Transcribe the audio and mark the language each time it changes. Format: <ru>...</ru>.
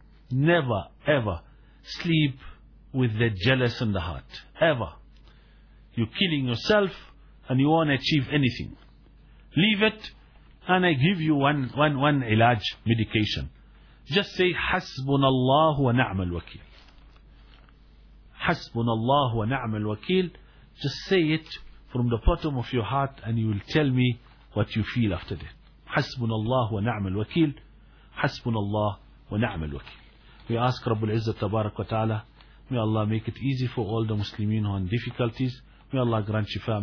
<en>Never, ever sleep with the jealous in the heart. Ever. You're killing yourself and you won't achieve anything. Leave it, and I give you one ilaj, medication. Just say,</en> <ar>حَسْبُنَ اللَّهُ وَنَعْمَ الْوَكِيلُ. حسبنا الله ونعم الوكيل.</ar> <en>Just say it from the bottom of your heart and you will tell me what you feel after that.</en> <ar>حسبنا الله ونعم الوكيل. حسبنا الله ونعم الوكيل.</ar> <en>We ask Rabbul Izzah Tabarak wa Ta'ala, may Allah make it easy for all the Muslimin who are in difficulties. May Allah grant shifa.</en>